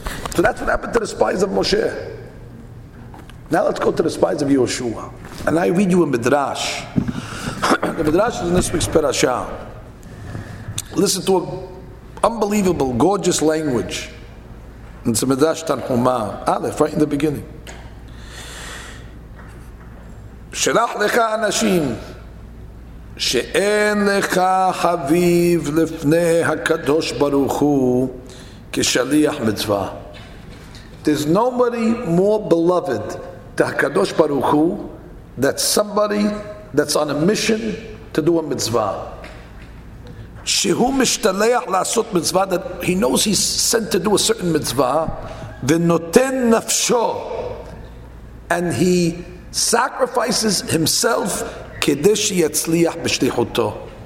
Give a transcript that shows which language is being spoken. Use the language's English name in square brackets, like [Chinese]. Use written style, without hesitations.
[English] So that's what happened to the spies of Moshe. Now let's go to the spies of Yehoshua. And I read you a midrash. The midrash is in this week's parasha. Listen to an unbelievable, gorgeous language. And it's a midrash Tanhuma. Aleph, right in the beginning. [Hebrew] שלח לך אנשים שאין לך חביב לפני הקדוש ברוך הוא כשליח מצווה. [English] There's nobody more beloved to הקדוש ברוך הוא than somebody that's on a mission to do a mitzvah. [Hebrew] שהוא משתלח לעשות מצווה, [English] that he knows he's sent to do a certain mitzvah, [Hebrew] ונותן נפשו, [English] and he sacrifices himself [Hebrew] כדי שיצליח בשליחותו.